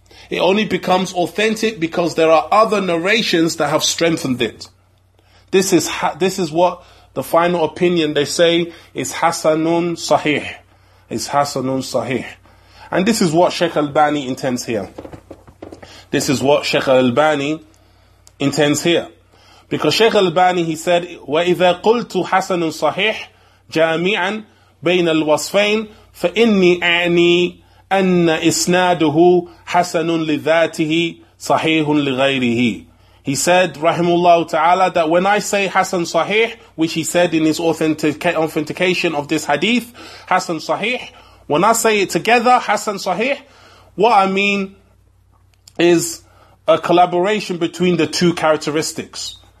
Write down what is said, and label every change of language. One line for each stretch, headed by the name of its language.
English: It only becomes authentic because there are other narrations that have strengthened it. This is what the final opinion they say is Hassanun Sahih. Is Hassanun Sahih. And this is what Sheikh Al-Albani intends here. This is what Sheikh Al-Albani intends here. Because Sheikh Al-Albani, he said,
Arabic: وَإِذَا قُلْتُ حَسَنٌ صَحِيحٌ جَامِعًا بَيْنَ الْوَصْفَيْنِ فَإِنِّي أَعْنِي أَنَّ إِسْنَادُهُ حَسَنٌ لِذَاتِهِ صَحِيحٌ لِغَيْرِهِ.
English: He said, rahimullah ta'ala, that when I say Hassan Sahih, which he said in his authentication of this hadith, Hassan Sahih, when I say it together, Hassan Sahih, what I mean is a collaboration between the two characteristics.